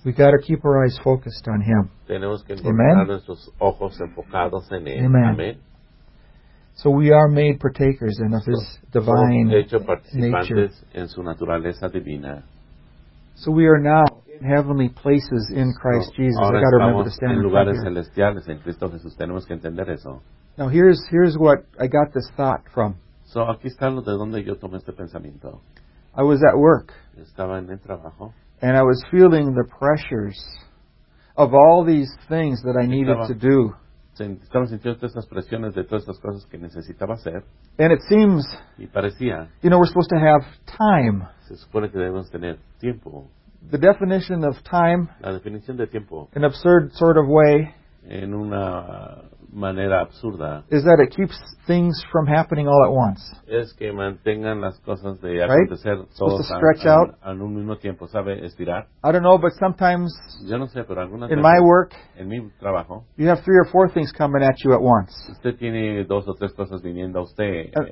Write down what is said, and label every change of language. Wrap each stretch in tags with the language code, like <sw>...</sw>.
<en>We got to keep our eyes focused on him.</en> <es>Tenemos que mantener nuestros ojos enfocados en él.</es> <en>Amen.</en> <es>Amen.</es> <en>So we are made partakers in of his divine</en> <es>hecho participantes</es> <en>nature.</en> <es>En su naturaleza divina.</es> <en>So we are now in heavenly places in Christ Jesus.</en> <es>Ahora</es> <en>I got to remember to stand</en> <es>en lugares celestiales en Cristo Jesús. Tenemos que entender eso.</es> <en>Now here's what I got this thought from.</en> <es>So aquí está lo de donde yo tomé este pensamiento.</es> <en>I was at work.</en> <es>Estaba en el trabajo.</es> <en>And I was feeling the pressures of all these things that I needed to do.</en> <es>Estaba sintiendo todas estas presiones de todas estas cosas que necesitaba hacer.</es> <en>And it seems,</en> <es>y parecía,</es> <en>you know, we're supposed to have time.</en> <es>Se supone que debemos tener tiempo.</es> <en>The definition of time,</en> <es>la definición de tiempo,</es> <en>an absurd sort of way,</en> <es>en una manera absurda,</es> <en>is that it keeps things from happening all at once.</en> <es>Es que mantengan las cosas de</es> <en>right?</en> <es>acontecer</es> <en>it's supposed to stretch out.</en> <es>En un mismo tiempo, sabe, estirar.</es> <en>I don't know, but sometimes</en> <es>yo no sé, pero alguna</es> <en>in my work</en> <es>en mi trabajo,</es> <en>you have three or four things coming at you at once.</en> <es>Usted tiene dos o tres cosas viniendo a usted,</es>